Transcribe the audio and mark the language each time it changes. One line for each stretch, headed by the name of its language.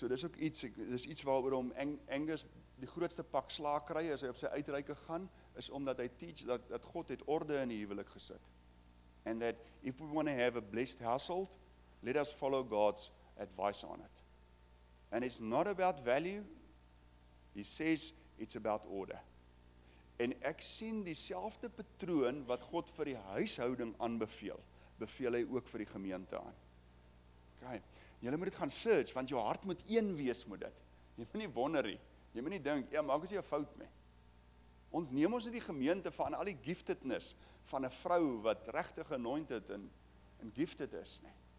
Afrikaans: So dis ook iets, dis iets waaroor om Angus die grootste pak slaag kry as hy op sy uitreike gaan is omdat hy teach dat God het orde in die huwelik gesit.
English: And that if we want to have a blessed household, let us follow God's advice on it. And it's not about value. He says it's about order.
Afrikaans: En ek sien dieselfde patroon wat God vir die huishouding aanbeveel, beveel hy ook vir die gemeente aan. Okay. Julle moet dit gaan search, want jou hart moet een wees met dit. Jy moet nie wonder nie. Jy moet nie dink, ja, maak as jy 'n fout mee. Ontneem ons nie die gemeente van al die giftedness van 'n vrou wat regtig anointed en gifted is nie.